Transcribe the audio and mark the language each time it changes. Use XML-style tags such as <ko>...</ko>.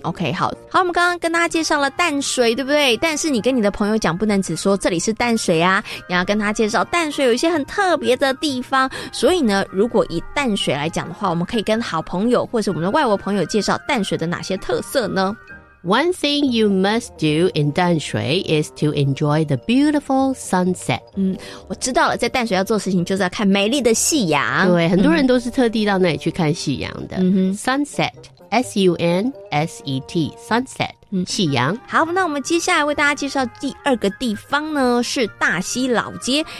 <zh>，OK， 好。好，我们刚刚跟大家介绍了淡水，对不对？但是你跟你的朋友讲，不能只说这里是淡水啊，你要跟他介绍淡水有一些很特别的地方。所以呢，如果以淡水来讲的话，我们可以跟好朋友或是我们的外国朋友介绍淡水的哪些特色呢？</zh> <en>One thing you must do in 淡水 is to enjoy the beautiful sunset.</en> <zh>嗯，我知道了，在淡水要做事情就是要看美丽的夕阳。对，很多人都是特地到那里去看夕阳的。嗯、</zh> <en>sunset, S-U-N-S-E-T, sunset. 嗯，</en> <zh>夕阳。好，那我们接下来为大家介绍第二个地方呢，是大溪老街。</zh>